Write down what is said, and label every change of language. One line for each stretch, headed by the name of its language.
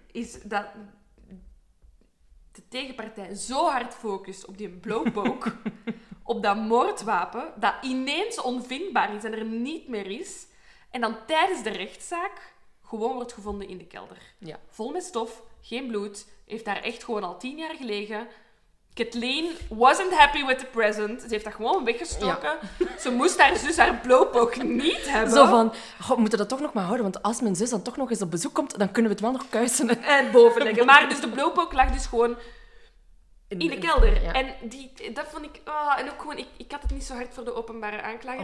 Dutch: Is dat de tegenpartij zo hard focust op die blowpoke, op dat moordwapen, dat ineens onvindbaar is en er niet meer is. En dan tijdens de rechtszaak gewoon wordt gevonden in de kelder. Ja. Vol met stof, geen bloed, heeft daar echt gewoon al 10 jaar gelegen...
English: Kathleen wasn't happy with the present.
Dutch: Ze heeft dat gewoon weggestoken. Ja. Ze moest haar zus haar blowpoke niet hebben. Zo van, we moeten dat toch nog maar houden. Want als mijn zus dan toch nog eens op bezoek komt, dan kunnen we het wel nog kuisen. En boven liggen. Maar dus de blowpoke lag dus gewoon in de kelder. Ja. En dat vond ik... Oh, en ook gewoon, ik had het niet zo hard voor de openbare aanklager.